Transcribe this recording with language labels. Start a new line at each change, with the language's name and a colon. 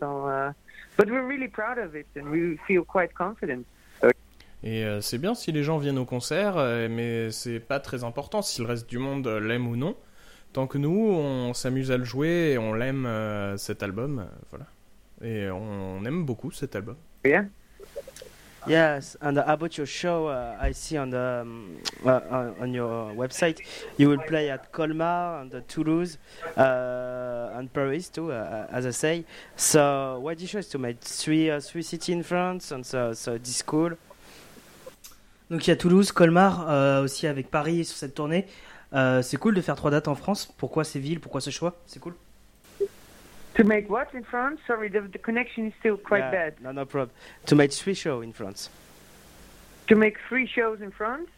English: So but we're really proud of it and we feel quite confident.
French: Et c'est bien si les gens viennent au concert, mais c'est pas très important si le reste du monde l'aime ou non. Tant que nous, on s'amuse à le jouer et on l'aime, cet album, voilà. Et on aime beaucoup cet album.
English: Yeah. Yes, and about your show, I see on the on your website, you will play at Colmar, and Toulouse, and Paris too, as I say. So, what did you choose to make three cities in France and so this school?
French: Donc il y a Toulouse, Colmar, aussi avec Paris sur cette tournée. C'est cool de faire 3 dates en France. Pourquoi ces villes? Pourquoi ce choix? C'est cool.
English: To make what in France? Sorry, the connection is still quite bad. No problem. To make 3 shows in France. To make 3 shows in France?